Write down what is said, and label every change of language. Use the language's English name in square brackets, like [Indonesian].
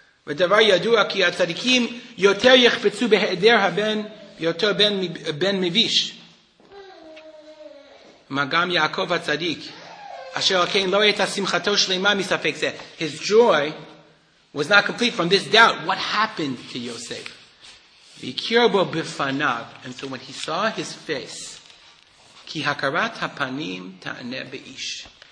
[Hebrew] ודבר ידוע כי הצדיקים יותר יחפצו בהיעדר הבן ויותר בן מביש. מה גם יעקב הצדיק, אשר כן לא הייתה שמחתו שלמה מספק זה. [English] His joy was not complete from this doubt. What happened to Yosef? [Hebrew] והכיר בו בפניו. [English] And so when he saw his face, [Hebrew] כי הכרת הפנים תענה באיש.